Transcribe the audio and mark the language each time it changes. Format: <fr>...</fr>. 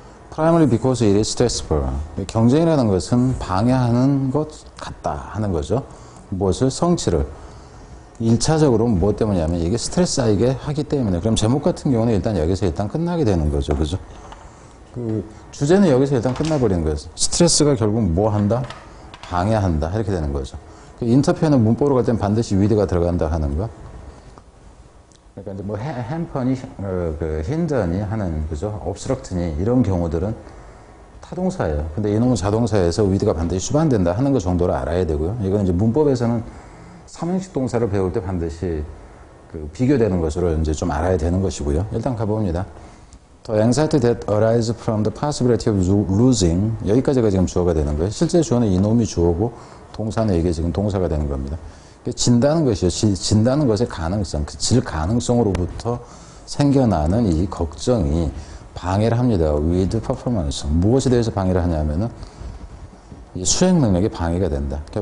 <en>Primarily because it is stressful.</en> <ko>경쟁이라는 것은 방해하는 것 같다 하는 거죠. 무엇을? 성취를. 1차적으로 무엇 때문이냐면 이게 스트레스 쌓이게 하기 때문에. 그럼 제목 같은 경우는 일단 여기서 일단 끝나게 되는 거죠. 그죠? 주제는 여기서 일단 끝나버리는 거예요. 스트레스가 결국 뭐 한다? 방해한다. 이렇게 되는 거죠. 인터페어는 문법으로 갈땐 반드시 with가 들어간다 하는 거. 그러니까 이제 뭐 hamper니, hinder니 하는, 그죠? obstruct니, 이런 경우들은 타동사예요. 근데 이놈은 자동사에서 with가 반드시 수반된다 하는 거 정도를 알아야 되고요. 이건 이제 문법에서는 삼형식 동사를 배울 때 반드시 비교되는 것으로 이제 좀 알아야 되는 것이고요. 일단 가봅니다.</ko> <en>The anxiety that arises from the possibility of losing.</en> <ko>여기까지가 지금 주어가 되는 거예요. 실제 주어는 이놈이 주어고, 동사는 이게 지금 동사가 되는 겁니다. 진다는 것이요. 진다는 것의 가능성, 그질 가능성으로부터 생겨나는 이 걱정이 방해를 합니다.</ko> <en>With performance.</en> <ko>무엇에 대해서 방해를 하냐면은 이 수행 능력이 방해가 된다.</ko>